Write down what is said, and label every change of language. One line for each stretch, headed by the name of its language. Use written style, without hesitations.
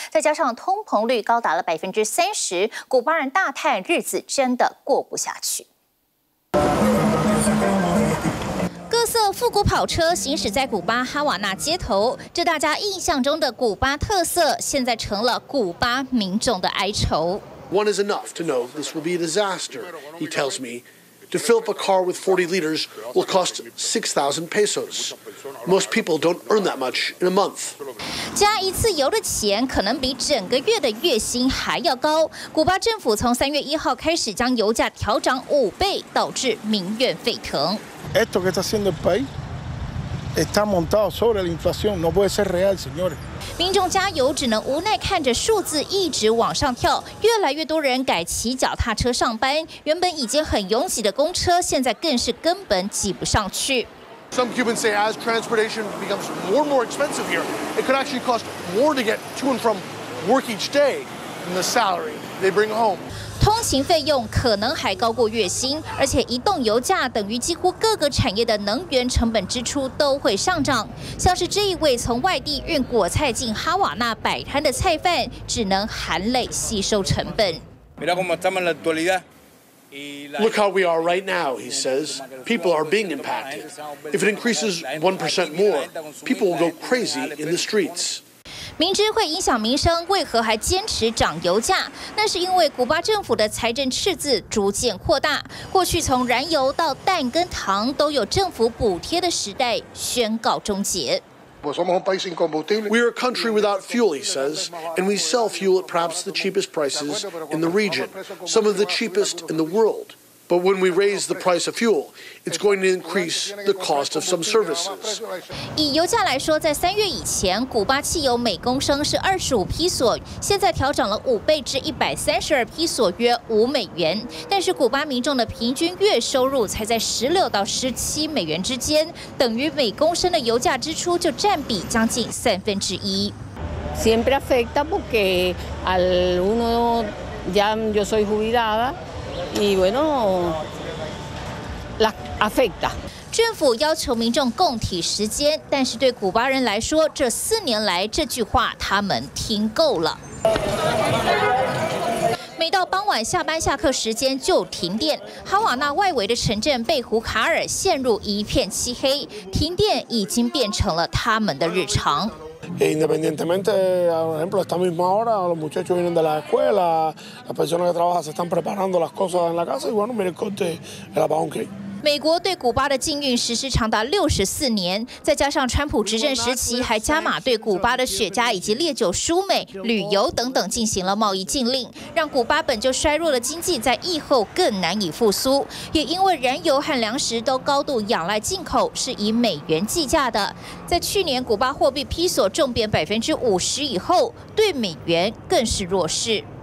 Chinese: 再加上通膨率高达了30%，古巴人大叹日子真的过不下去。各色复古跑车行驶在古巴哈瓦那街头，这大家印象中的古巴特色，现在成了古巴民众的哀愁。
English: One is enough to know this will be a disaster, he tells me. To fill up a car with 40 liters will cost 6,000 pesos. Most people don't earn that much in a month.
Chinese: 加一次油的钱可能比整个月的月薪还要高。古巴政府从三月一号开始将油价调涨5倍，导致民怨沸腾。
Spanish: Esto que está haciendo el país está montado sobre la inflación, no puede ser real, señores.
Chinese: 民众加油只能无奈看着数字一直往上跳，越来越多人改骑脚踏车上班，原本已经很拥挤的公车现在更是根本挤不上去。
English: Some Cubans say as transportation becomes more and more expensive here, it could actually cost more to get to and from work each day than the salary they bring home.
Chinese: 通勤费用可能还高过月薪，而且移动油价等于几乎各个产业的能源成本支出都会上涨。像是这一位从外地运果菜进哈瓦那摆摊的菜贩，只能含泪吸收成本。
English: Look how we are right now, he says. People are being impacted. If it increases 1% more, people will go crazy in the streets.
Chinese: 明知会影响民生，为何还坚持涨油价？那是因为古巴政府的财政赤字逐渐扩大。过去从燃油到蛋跟糖都有政府补贴的时代宣告终结。
English: We are a country without fuel, he says, and we sell fuel at perhaps the cheapest prices in the region, some of the cheapest in the world. But when we raise the price of fuel, it's going to increase the cost of some services.
Chinese: 以油价来说，在三月以前，古巴汽油每公升是25披索，现在调涨了5倍至132披索，约5美元。但是古巴民众的平均月收入才在16到17美元之间，等于每公升的油价支出就占比将近1/3。
Spanish: Siempre afecta porque al uno ya yo soy jubilada. Y bueno, la afecta.
Chinese: 政府要求民众共体时间，但是对古巴人来说，这4年来这句话他们听够了。每到傍晚下班下课时间就停电，哈瓦那外围的城镇贝胡卡尔陷入一片漆黑，停电已经变成了他们的日常。
Spanish: Independientemente, por ejemplo, esta misma hora, los muchachos vienen de la escuela, las personas que trabajan se están preparando las cosas en la casa y bueno, miren el corte, el apagón que hay.
Chinese: 美国对古巴的禁运实施长达64年，再加上川普执政时期还加码对古巴的雪茄以及烈酒输美、旅游等等进行了贸易禁令，让古巴本就衰弱的经济在疫后更难以复苏。也因为燃油和粮食都高度仰赖进口，是以美元计价的，在去年古巴货币披索重贬50%以后，对美元更是弱势。